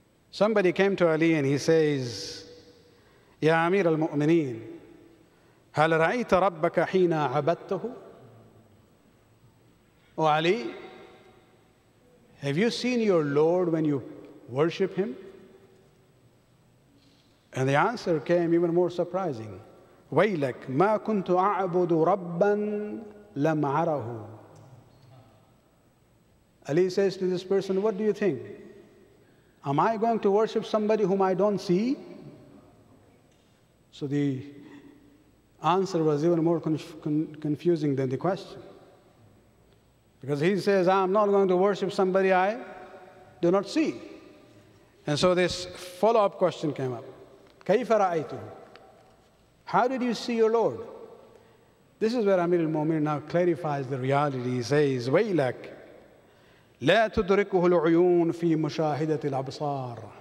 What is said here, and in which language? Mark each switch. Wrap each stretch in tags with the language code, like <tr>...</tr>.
<en>Somebody came to Ali and he says, Ya Amir al-Mu'mineen,</en> <ar>هل رأيت ربك حين عبدته؟</ar> <en>O Ali, have you seen your Lord when you worship him? And the answer came even more surprising.</en> <ar>ويلك ما كنت أعبد ربا لم أره.</ar> <en>Ali says to this person, what do you think? Am I going to worship somebody whom I don't see? So the answer was even more confusing than the question. Because he says, I'm not going to worship somebody I do not see. And so this follow-up question came up.</en> <ar>كيف رأيته?</ar> <en>How did you see your Lord? This is where Amir al-Mu'min now clarifies the reality. He says,</en> <ar>ويلك لا تدركه العيون في مشاهدة الأبصار.</ar>